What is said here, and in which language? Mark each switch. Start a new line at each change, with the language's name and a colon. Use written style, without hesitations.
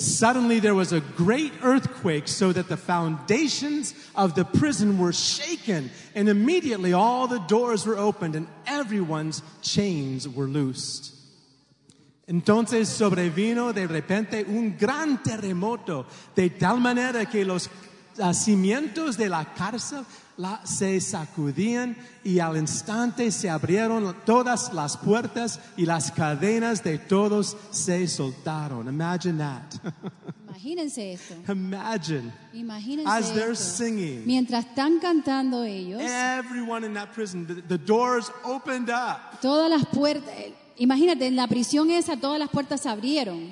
English: Suddenly there was a great earthquake so that the foundations of the prison were shaken. And immediately all the doors were opened and everyone's chains were loosed.
Spanish: Entonces sobrevino de repente un gran terremoto, de tal manera que los cimientos de la cárcel se sacudían y al instante se abrieron todas las puertas y las cadenas de todos se soltaron.
English: Imagine that.
Spanish: Imagínense esto.
English: Imagine.
Spanish: Imagínense
English: as
Spanish: esto.
English: They're singing.
Spanish: Mientras están cantando ellos.
English: Everyone in that prison, the doors opened up.
Spanish: Todas las puertas... Imagínate, en la prisión esa todas las puertas se abrieron.